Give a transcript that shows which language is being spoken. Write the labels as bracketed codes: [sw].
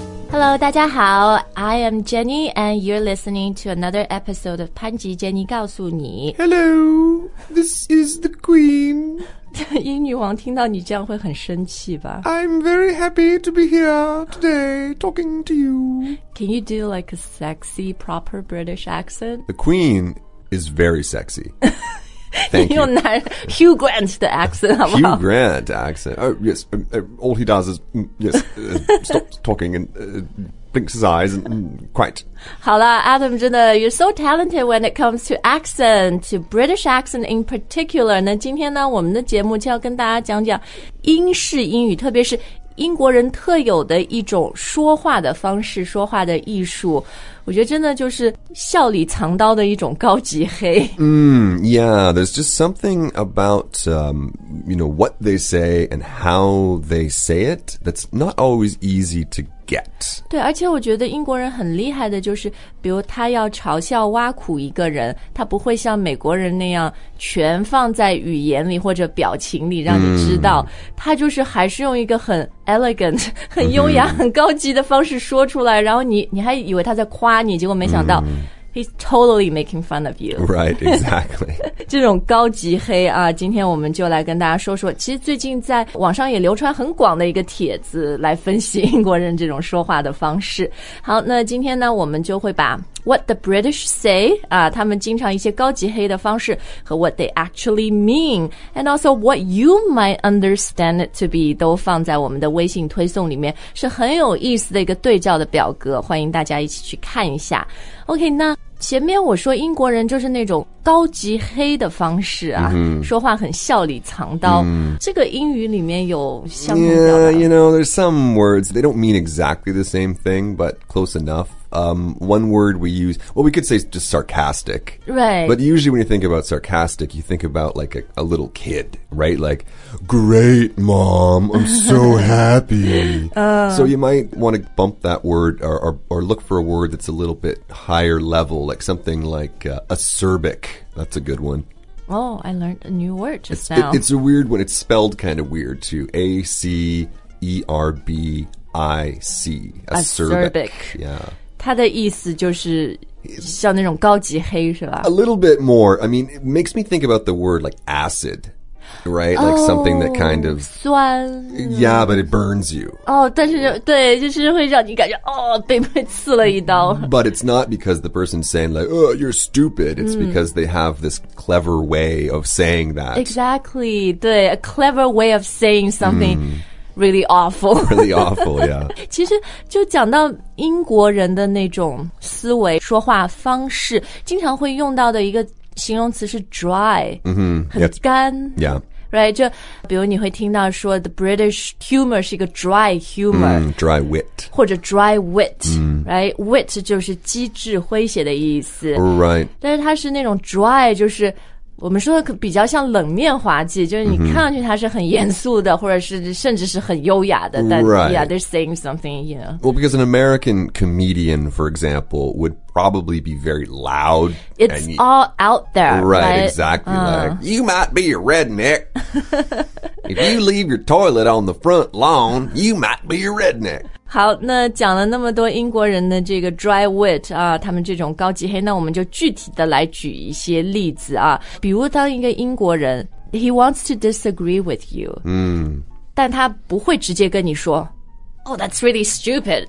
[en] Hello, [zh] 大家好 [en] I am Jenny and you're listening to another episode of 潘吉 Jenny 告诉你 Hello, this is the queen [zh] 英女王听到你这样会很生气吧 [en] I'm very happy to be here today talking to you Can you do like a sexy proper British accent? The queen is very sexy Thank you [zh] 用Hugh Grant 的 accent 好不好 [en] Hugh Grant accent All he does is stops talking and blinks his eyes and quite [zh] 好啦 Adam 真的 [en] You're so talented when it comes to accent To British accent in particular [zh] 那今天呢我们的节目就要跟大家讲讲英式英语特别是英国人特有的一种说话的方式说话的艺术我觉得真的就是笑里藏刀的一种高级黑 Yeah, there's just something about, you know, what they say and how they say it that's not always easy to get 对而且我觉得英国人很厉害的就是比如他要嘲笑挖苦一个人他不会像美国人那样全放在语言里或者表情里让你知道、mm. 他就是还是用一个很 elegant 很优雅、mm-hmm. 很高级的方式说出来然后你还以为他在夸你结果没想到、 [en] he's totally making fun of you. Right, exactly. [zh] 这种高级黑啊今天我们就来跟大家说说其实最近在网上也流传很广的一个帖子来分析英国人这种说话的方式。好那今天呢我们就会把 [en] what the British say, [zh] 啊他们经常一些高级黑的方式和 [en] what they actually mean, and also what you might understand it to be, [zh] 都放在我们的微信推送里面是很有意思的一个对照的表格欢迎大家一起去看一下。 OK, 那前面我说英国人就是那种高级黑的方式啊、mm-hmm. 说话很笑里藏刀、mm-hmm. 这个英语里面有相同表达 [en] Yeah, you know, there's some words, they don't mean exactly the same thing, but close enough. One word we use, well, we could say just sarcastic. Right. But usually when you think about sarcastic, you think about like a little kid, right? Like, great, mom, I'm so happy. So you might want to bump that word or look for a word that's a little bit higher level, like something like acerbic. That's a good one. Oh, I learned a new word just it's, now. It's a weird one. It's spelled kind of weird, too. A-C-E-R-B-I-C. Acerbic. Yeah. [zh] 他的意思就是像那种高级黑是吧 [en] A little bit more. I mean, it makes me think about the word like acid, right? Like something that kind of... [zh] 酸。 [en] Yeah, but it burns you. [zh] 哦、oh, ，但是对，就是会让你感觉哦、oh, 被刺了一刀。 [en] But it's not because the person's saying like, oh, you're stupid. It's、mm. because they have this clever way of saying that. Exactly, 对 a clever way of saying something.、Mm. Really awful. Really awful, yeah. [zh] 其实就讲到英国人的那种思维说话方式经常会用到的一个形容词是 dry,、 mm-hmm. 很干。 [en] Yeah. Yeah. Right, 就比如你会听到说 the British humor 是一个 dry humor.、 Mm, dry wit. 或者 dry wit,、mm. right? [zh] Wit 就是机智诙谐的意思。 [en] Right. [zh] 但是它是那种 dry 就是我们说的比较像冷面滑稽就是你看上去它是很严肃的、mm-hmm. 或者是甚至是很优雅的但、 [en] right. yeah, they're saying something, you know. Well, because an American comedian, for example, would probably be very loud. It's and, all out there, right? Right, exactly.、Like, you might be a redneck. If you leave your toilet on the front lawn, you might be a redneck. [zh] 好那讲了那么多英国人的这个 dry wit 啊他们这种高级黑那我们就具体的来举一些例子啊比如当一个英国人 [en] he wants to disagree with you、 mm. [zh] 但他不会直接跟你说 [en] oh that's really stupid